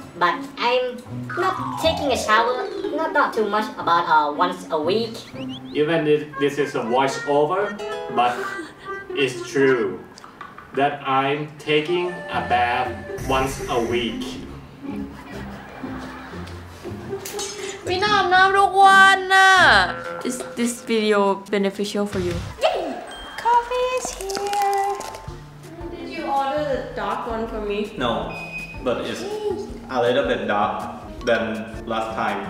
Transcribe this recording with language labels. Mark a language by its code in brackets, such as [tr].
[en] But I'm not taking a shower, not too much, about once a week. Even if this is a voiceover, but it's true that I'm taking a bath once a week. [th] ไม่น่าอาบน้ำทุกวันน่ะ [en] Is this video beneficial for you? Yay! Coffee is here. Did you order the dark one for me? No, but it's a little bit dark than last time.